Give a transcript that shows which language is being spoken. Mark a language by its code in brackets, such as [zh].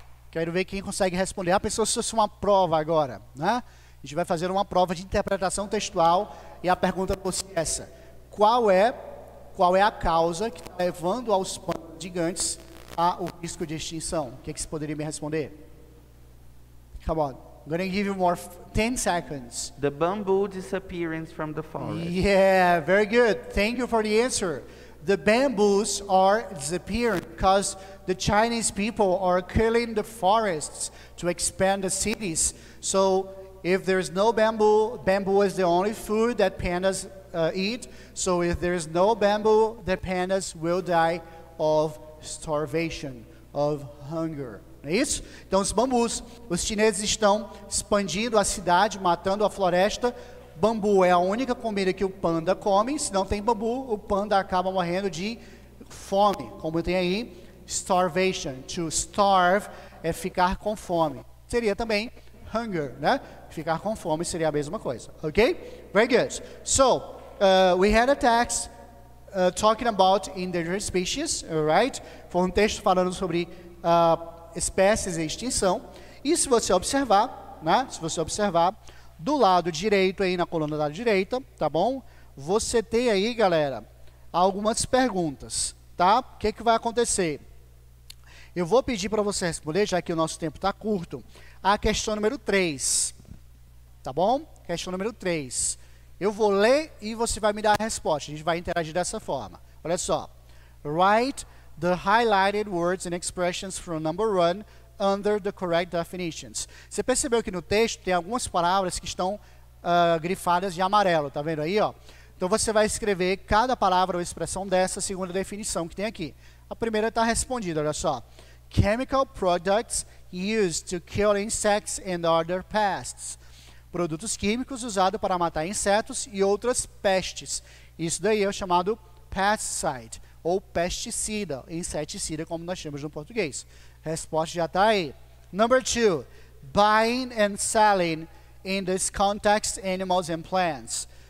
[pt] Quero ver quem consegue responder. Pessoal, se fosse uma prova agora, né? A gente vai fazer uma prova de interpretação textual e a pergunta fosse essa. Qual é a causa que está levando aos pandas gigantes ao risco de extinção? O que, é que você poderia me responder? [en] Come on. I'm going to give you more 10 seconds. The bamboo disappearance from the forest. Yeah, very good. Thank you for the answer. The bamboos are disappearing because the Chinese people are killing the forests to expand the cities. So if there's no bamboo, bamboo is the only food that pandas eat. So if there's no bamboo, the pandas will die of starvation, of hunger. [pt] Não é isso? Então os bambus, os chineses estão expandindo a cidade, matando a floresta. Bambu é a única comida que o panda come. Se não tem bambu, o panda acaba morrendo de fome. Como tem aí, starvation. To starve é ficar com fome. Seria também hunger, né? Ficar com fome seria a mesma coisa. [en] Ok? Very good. So, we had a text talking about endangered species, right? [pt] Foi um texto falando sobre espécies em extinção. E se você observar, né? Se você observar, do lado direito aí, na coluna da direita, tá bom? Você tem aí, galera, algumas perguntas, tá? O que, que vai acontecer? Eu vou pedir para você responder, já que o nosso tempo está curto, a questão número 3, tá bom? Questão número 3. Eu vou ler e você vai me dar a resposta. A gente vai interagir dessa forma. Olha só. [en] Write the highlighted words and expressions from number 1 under the correct definitions. [pt] Você percebeu que no texto tem algumas palavras que estão grifadas de amarelo. Tá vendo aí? Ó? Então você vai escrever cada palavra ou expressão dessa segunda definição que tem aqui. A primeira está respondida. Olha só. [en] Chemical products used to kill insects and other pests. [pt] Produtos químicos usados para matar insetos e outras pestes. Isso daí é o chamado pesticide ou pesticida, inseticida, como nós chamamos no português. Resposta já está aí. [en] Number 2. Buying and selling in this context animals and plants.